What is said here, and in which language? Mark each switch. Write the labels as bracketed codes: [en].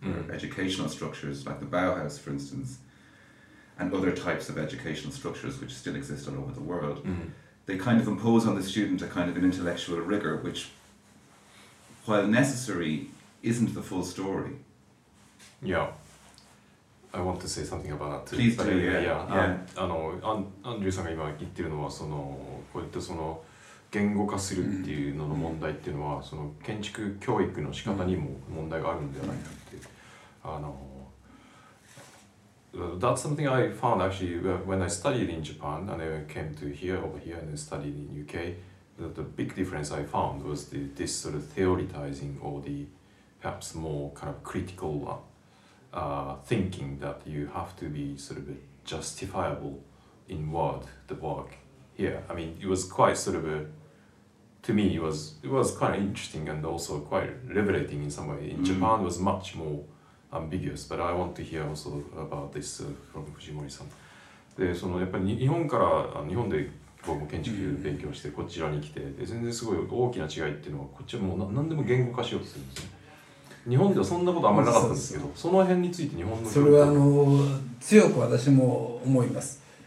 [en] Educational structures like the Bauhaus, for instance,and other types of educational structures which still exist all over the world, they kind of impose on the student a kind of an intellectual rigor which, while necessary, isn't the full story. Yeah. I want to say something about that too. Please do, yeah. [ja] Andrew-san が今言ってるのは、そのこうやってその言語化するっていうのの問題っていうのは、その建築教育の仕方にも問題があるんではないかって。 [en] That's something I found actually when I studied in Japan and I came to here over here and then studied in UK. That the big difference I found was the this sort of theorizing or the perhaps more kind of critical thinking that you have to be sort of justifiable in what the work here. I mean, it was quite sort of a, to me, it was kind of interesting and also quite liberating in some way. In Japan was much more ambiguous, but I want to hear also about this from Fujimori-san. [ja] で、そのやっぱり日本から、日本で僕も建築勉強してこちらに来て、で、全然すごい大きな違いっていうのは、こっちはもう何でも言語化しようとするんですね。日本ではそんなことあんまりなかったんですけど、その辺について日本の… それは強く私も思います。